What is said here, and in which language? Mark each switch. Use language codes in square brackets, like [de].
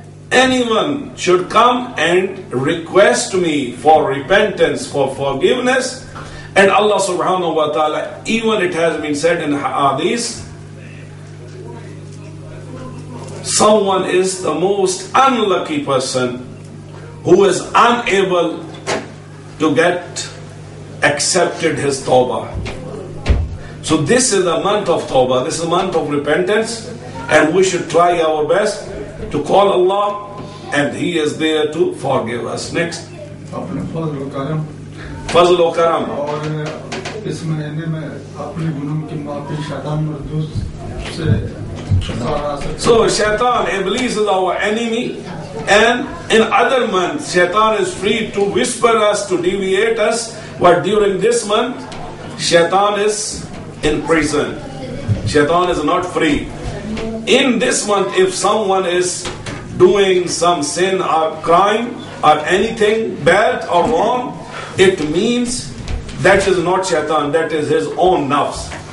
[en] Anyone should come and request me for repentance, for forgiveness, and Allah subhanahu wa ta'ala, even it has been said in hadith, someone is the most unlucky person who is unable to get accepted his tawbah. So this is a month of tawbah, this is a month of repentance, and we should try our best to call Allah, and He is there to forgive us. Next. [ur] اپنے فضل و کرم, فضل و کرم, اور اس مہینے میں اپنے گناہوں کی معافی شیطان مردود سے. [en] So Shaitan, Iblis is our enemy, and in other months Shaitan is free to whisper us, to deviate us, but during this month Shaitan is in prison. Shaitan is not free. In this month, if someone is doing some sin or crime or anything bad or wrong, it means that is not Shaitan, that is his own nafs.